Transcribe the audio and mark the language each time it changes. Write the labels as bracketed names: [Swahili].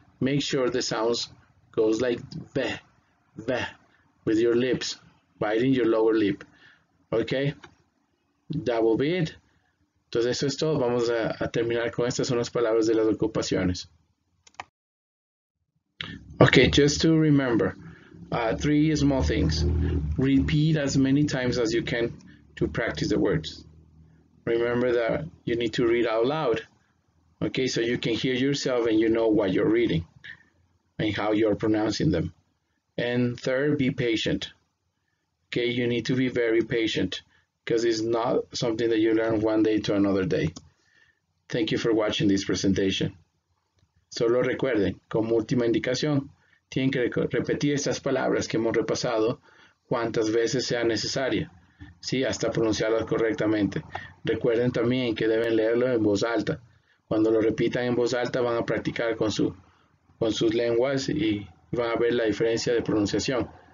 [English] Make sure the sounds goes like ve, ve, with your lips, biting your lower lip. Ok, that will be it. [Spanish] Entonces, eso es todo. Vamos a terminar con estas son las palabras de las ocupaciones. [English] Okay, just to remember, three small things. Repeat as many times as you can to practice the words. Remember that you need to read out loud. Okay, so you can hear yourself and you know what you're reading and how you're pronouncing them. And third, be patient. Okay, you need to be very patient because it's not something that you learn one day to another day. Thank you for watching this presentation. [Spanish] Solo recuerden, como última indicación, tienen que repetir estas palabras que hemos repasado cuantas veces sea necesaria, ¿sí? Hasta pronunciarlas correctamente. Recuerden también que deben leerlo en voz alta. Cuando lo repitan en voz alta, van a practicar con sus lenguas y van a ver la diferencia de pronunciación.